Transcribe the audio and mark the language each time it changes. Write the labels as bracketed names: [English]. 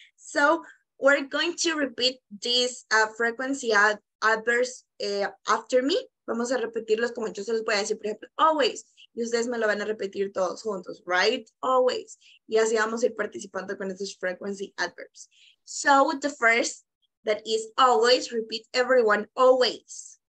[English] So we're going to repeat these frequency adverbs after me. [Spanish] Vamos a repetirlos como yo se los voy a decir, por ejemplo, always. Y ustedes me lo van a repetir todos juntos, right? Always. Y así vamos a ir participando con estos frequency adverbs. [English] So the first, that is always, repeat everyone, always.